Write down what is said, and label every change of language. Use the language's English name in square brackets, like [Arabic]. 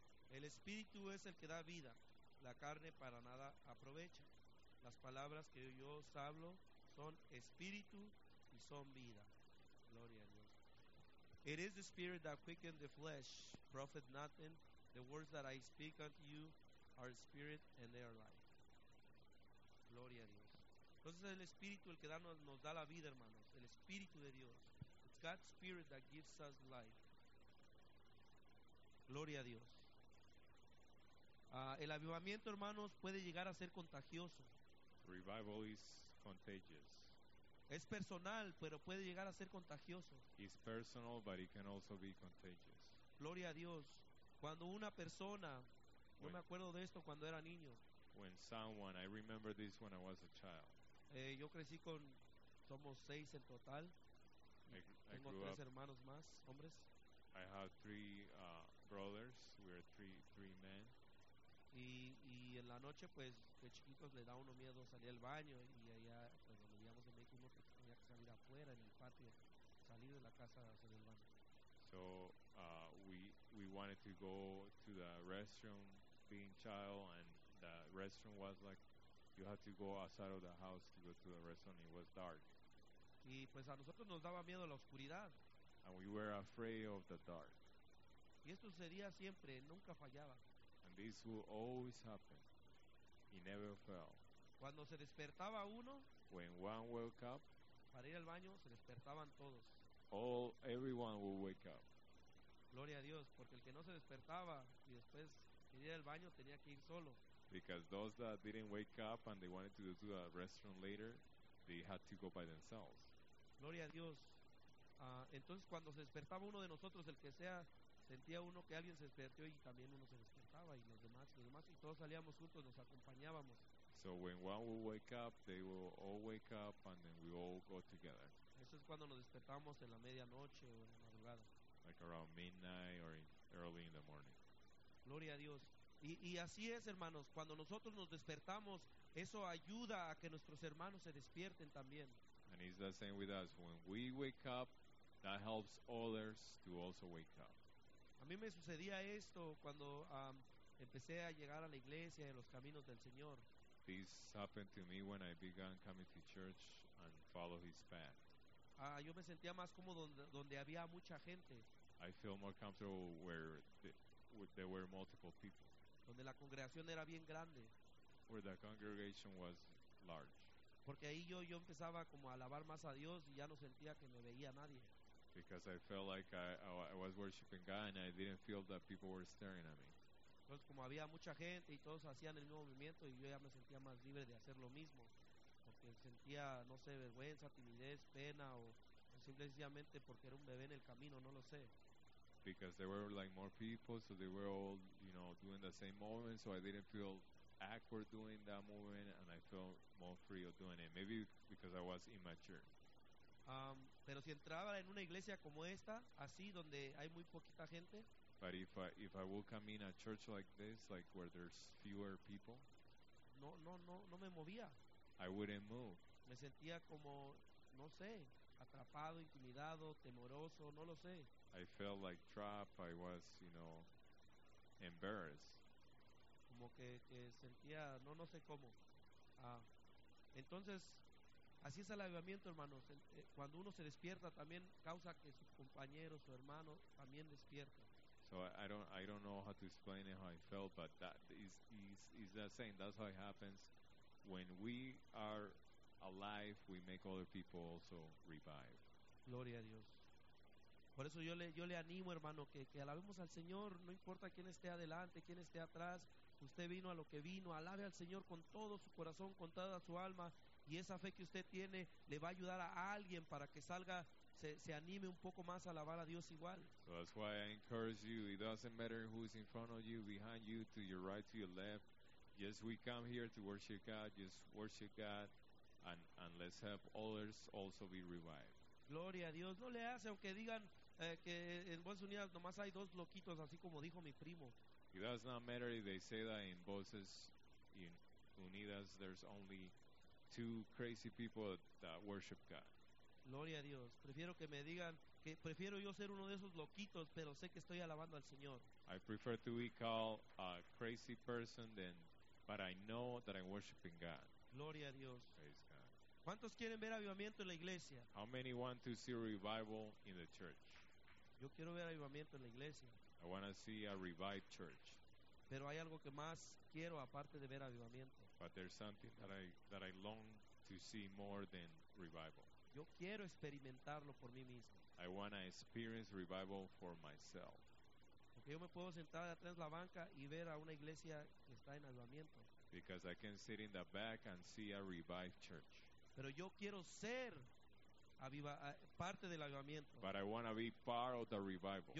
[Spanish] El Espíritu es el que da vida, la carne para nada aprovecha. Las palabras que yo os hablo son espíritu y son vida. Gloria a Dios. [English] It is the spirit that quickens the flesh. Profit nothing. The words that I speak unto you are spirit and they are life. [Spanish] Gloria a Dios. Entonces el espíritu el que nos da la vida, hermanos. El espíritu de Dios. [English] It's God's spirit that gives us life. [Spanish] Gloria a Dios. El avivamiento, hermanos, puede llegar a ser contagioso. [English] Revival is contagious. [Spanish] Es personal, pero puede llegar a ser contagioso. [English] It's personal, but it can also be contagious. [Spanish] Gloria a Dios. Cuando una persona, yo me acuerdo de esto cuando era niño. [English] When someone, I remember this when I was a child. [Spanish] Yo crecí con, somos seis en total. Tengo tres hermanos más, hombres. [English] I have three brothers. We are three men. [Spanish] Y en la noche, pues, de chiquitos le da uno miedo salir al baño. Y allá, pues, donde vivíamos en México, pues, tenía que salir afuera, en el patio, salir de la casa a hacer el baño. [English] So, we wanted to go to the restroom, being child, and the restroom was like, you had to go outside of the house to go to the restroom, it was dark. [Spanish] Y, pues, a nosotros nos daba miedo la oscuridad. [English] And we were afraid of the dark. [Spanish] Y esto sucedía siempre, nunca fallaba. [English] And this will always happen. He never fell. [Spanish] Cuando se despertaba uno, [English] when one woke up, [Spanish] para ir al baño, se despertaban todos. [English] Everyone will wake up. [Spanish] Gloria a Dios, porque el que no se despertaba y después quería ir al baño tenía que ir solo. [English] Because those that didn't wake up and they wanted to go to a restaurant later, they had to go by themselves. [Spanish] Gloria a Dios. Entonces cuando se despertaba uno de nosotros, el que sea, sentía uno que alguien se despertó y también uno se despertaba y los demás y todos salíamos juntos, nos acompañábamos. [English] So when one will wake up, they will all wake up and then we all go together. [Spanish] Eso es cuando nos despertamos en la medianoche o en la madrugada. [English] Like around midnight or early in the morning. [Spanish] Gloria a Dios. Y así es, hermanos, cuando nosotros nos despertamos, eso ayuda a que nuestros hermanos se despierten también. [English] And it's the same with us. When we wake up, that helps others to also wake up. [Spanish] A mí me sucedía esto cuando empecé a llegar a la iglesia en los caminos del Señor. [English] This happened to me when I began coming to church and follow his path. [Spanish] Yo me sentía más cómodo donde había mucha gente. [English] I feel more comfortable where there were multiple people. [Spanish] Donde la congregación era bien grande. [English] Where the congregation was large. [Spanish] Porque ahí yo empezaba como a alabar más a Dios y ya no sentía que me veía nadie. [English] Because I felt like I was worshiping God and I didn't feel that people were staring at me. [Spanish] Entonces como había mucha gente y todos hacían el mismo movimiento y yo ya me sentía más libre de hacer lo mismo. Porque sentía, no sé, vergüenza, timidez, pena o simplemente porque era un bebé en el camino, no lo sé. [English] Because there were like more people, so they were all, you know, doing the same movement, so I didn't feel awkward doing that movement and I felt more free of doing it. Maybe because I was immature. [Spanish] Pero si entraba en una iglesia como esta, así donde hay muy poquita gente, [English] but if I would come in a church like this, like where there's fewer people, [Spanish] no me movía. [English] I wouldn't move. [Spanish] Me sentía como, no sé, atrapado, intimidado, temoroso, no lo sé. [English] I felt like trapped. I was, you know, embarrassed. [Spanish] Como que sentía, no sé cómo. Entonces, así es el avivamiento, hermanos. Cuando uno se despierta, también causa que sus compañeros, su hermano, también despierten. [English] So I don't know how to explain it, how I felt, but that is the same. That's how it happens. When we are alive, we make other people also revive. [Spanish] Gloria a Dios. Por eso yo le animo, hermano, que alabemos al Señor. No importa quién esté adelante, quién esté atrás. Usted vino a lo que vino. Alabe al Señor con todo su corazón, con toda su alma. Y esa fe que usted tiene le va a ayudar a alguien para que salga, se anime un poco más a alabar a Dios igual. [English] So that's why I encourage you. It doesn't matter who's in front of you, behind you, to your right, to your left. Yes, we come here to worship God. Just worship God. And let's help others also be revived. [Spanish] Gloria a Dios. No le hace aunque digan que en Voces Unidas nomás hay dos loquitos, así como dijo mi primo. [English] It does not matter if they say that in Voces Unidas there's only two crazy people that worship God. [Spanish] Gloria a Dios. Prefiero que me digan que prefiero yo ser uno de esos loquitos, pero sé que estoy alabando al Señor. [English] I prefer to be called a crazy person but I know that I'm worshiping God. [Spanish] Gloria a Dios. [English] Praise God. [Spanish] ¿Cuántos quieren ver avivamiento en la iglesia? [English] How many want to see revival in the church? [Spanish] Yo quiero ver avivamiento en la iglesia. [English] I want to see a revived church. [Spanish] Pero hay algo que más quiero aparte de ver avivamiento. [English] But there's something that I long to see more than revival. [Spanish] Yo quiero experimentarlo por mí mismo. [English] I want to experience revival for myself. [Spanish] Porque yo me puedo sentar atrás de la banca y ver a una iglesia que está en avivamiento. [English] Because I can sit in the back and see a revived church. [Spanish] Pero yo quiero ser parte del avivamiento. [English] But I want to be part of the revival.